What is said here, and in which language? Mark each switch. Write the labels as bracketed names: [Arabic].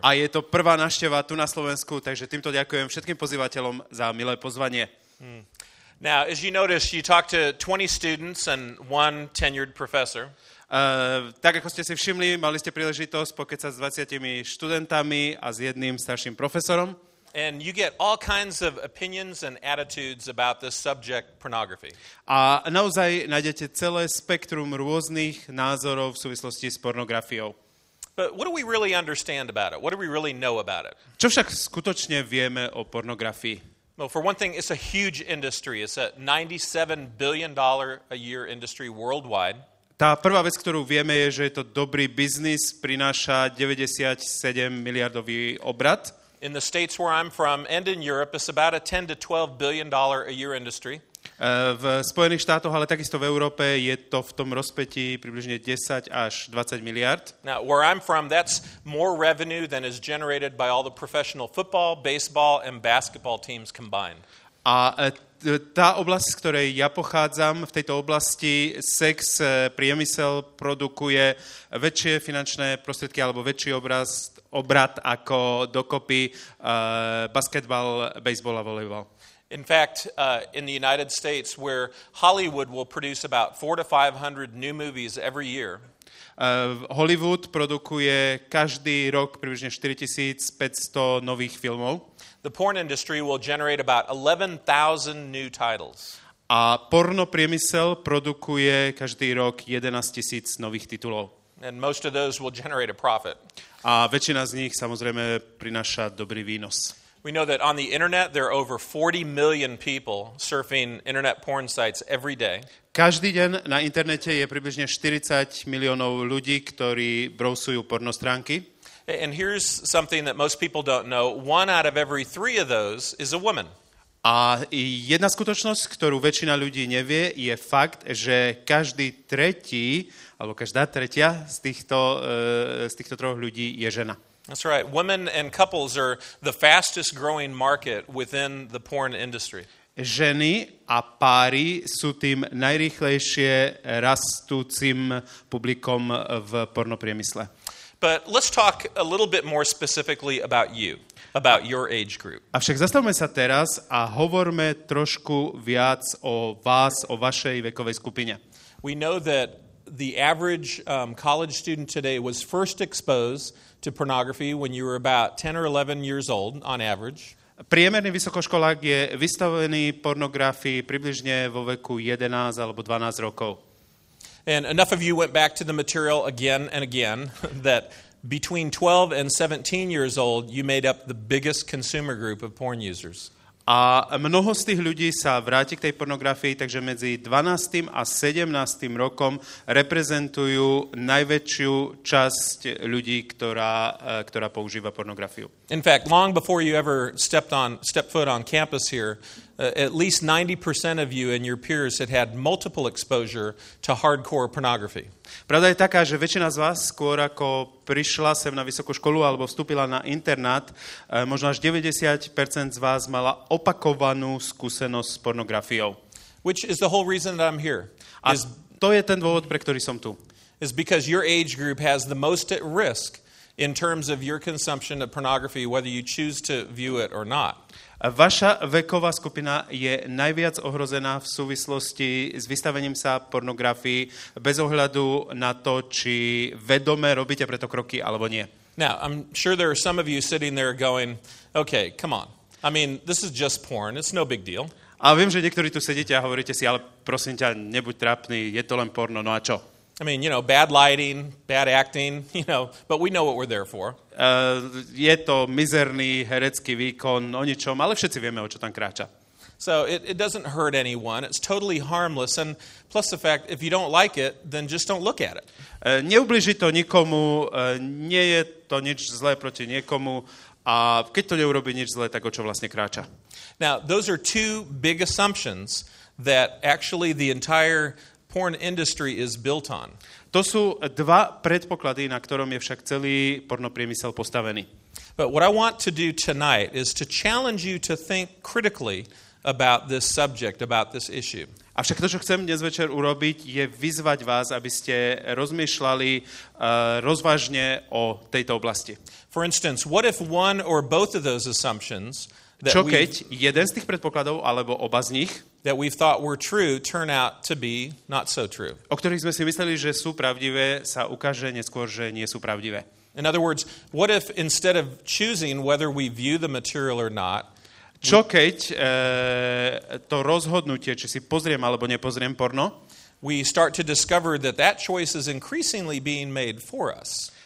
[Slovak] A je to prvá návšteva tu na Slovensku, takže týmto ďakujem všetkým pozývateľom za milé pozvanie. [English] Now, as you notice, you talked to 20 students and one tenured professor. [Slovak] Tak ako ste si všimli, mali ste príležitosť pokecať s 20 študentami a s jedným starším profesorom. [English] And you get all kinds of opinions and attitudes about this subject, pornography. [Slovak] A naozaj nájdete celé spektrum rôznych názorov v súvislosti s pornografiou. [English] But what do we really understand about it? What do we really know about it? [Slovak] Čo však skutočne vieme o pornografii? [English] Well, for one thing, it's a huge industry. It's a $97 billion a year industry worldwide. [Slovak] Tá prvá vec, ktorú vieme, je, že je to dobrý biznis, prináša 97 miliardový obrat. [English] In the states where I'm from and in Europe, it's about a $10 to $12 billion a year industry. [Slovak] V Spojených štátoch, ale takisto v Európe, je to v tom rozpetí približne 10 až 20 miliard. [English] Now, where I'm from, that's more revenue than is generated by all the professional football, baseball and basketball teams combined. [Slovak] A tá oblasť, z ktorej ja pochádzam, v tejto oblasti sex, priemysel produkuje väčšie finančné prostriedky alebo väčší obrat ako dokopy basketbal, baseball a volejbal. [English] In fact, in the United States, where Hollywood will produce about 400 to 500 new movies every year. [Slovak] Hollywood produkuje každý rok približne 4500 nových filmov. [English] The porn industry will generate about 11,000 new titles. [Slovak] A porno priemysel produkuje každý rok 11,000 nových titulov. [English] And most of those will generate a profit. [Slovak] A väčšina z nich samozrejme prináša dobrý výnos. [English] We know that on the internet there are over 40 million people surfing internet porn sites every day. [Slovak] Každý deň na internete je približne 40 miliónov ľudí, ktorí browsujú porno stránky. [English] And here's something that most people don't know. One out of every three of those is a woman. [Slovak] A jedna skutočnosť, ktorú väčšina ľudí nevie, je fakt, že každý tretí, alebo každá tretia z týchto troch ľudí je žena. [English] That's right. Women and couples are the fastest growing market within the porn industry. [Slovak] Ženy a páry sú tým najrýchlejšie rastúcim publikom v pornopriemysle. [English] But let's talk a little bit more specifically about you, about your age group. [Slovak] Avšak zastavme sa teraz a hovorme trošku viac o vás, o vašej vekovej skupine. [English] We know that the average college student today was first exposed to pornography when you were about 10 or 11 years old on average. [Slovak] Priemerný vysokoškolák je vystavený pornografii približne vo veku 11 alebo 12 rokov. [English] And enough of you went back to the material again and again that between 12 and 17 years old you made up the biggest consumer group of porn users. [Slovak] A mnoho z tých ľudí sa vráti k tej pornografii, takže medzi 12. a 17. rokom reprezentujú najväčšiu časť ľudí, ktorá používa pornografiu. [English] In fact, long before you ever stepped foot on campus here, at least 90% of you and your peers had multiple exposure to hardcore pornography. [Slovak] Pravda je taká, že väčšina z vás skôr ako prišla sem na vysokú školu alebo vstúpila na internát, možno až 90% z vás mala opakovanú skúsenosť s pornografiou. [English] Which is the whole reason that I'm here. [Slovak] A to je ten dôvod, pre ktorý som tu. [English] Is because your age group has the most at risk in terms of your consumption of pornography, whether you choose to view it or not. [Slovak] Vaša veková skupina je najviac ohrozená v súvislosti s vystavením sa pornografii bez ohľadu na to, či vedome robíte preto kroky alebo nie. [English] Now, I'm sure there are some of you sitting there going, okay, come on. I mean, this is just porn, it's no big deal. [Slovak] A viem, že niektorí tu sedíte a hovoríte si, ale prosím ťa, nebuď trápny, je to len porno, no a čo? [English] I mean, you know, bad lighting, bad acting, you know, but we know what we're there for. [Slovak] Je to mizerný herecký výkon, o ničom, ale všetci vieme, o čo tam kráča. [English] So it doesn't hurt anyone. It's totally harmless. And plus the fact, if you don't like it, then just don't look at it. [Slovak] Neublíži to nikomu, nie je to nič zlé proti niekomu. A keď to neurobí nič zlé, tak o čo vlastne kráča? [English] Now, those are two big assumptions that actually the entire porn industry is built on. [Slovak] To sú dva predpoklady, na ktorom je však celý pornopriemysel postavený. [English] But what I want to do tonight is to challenge you to think critically about this subject, about this issue. [Slovak] Avšak to, čo chcem dnes večer urobiť, je vyzvať vás, aby ste rozmýšľali rozvážne o tejto oblasti. [English] For instance, what if one or both of those assumptions [Slovak] that čo keď jeden z tých predpokladov alebo oba z nich [English] that we thought were true turn out to be not so true. [Slovak] O ktorých sme si mysleli, že sú pravdivé, sa ukáže neskôr, že nie sú pravdivé. [English] In other words, what if instead of choosing whether we view the material or not, [Slovak] čo keď to rozhodnutie, či si pozriem alebo nepozriem porno, [English] we start to discover that choice is increasingly being made for us.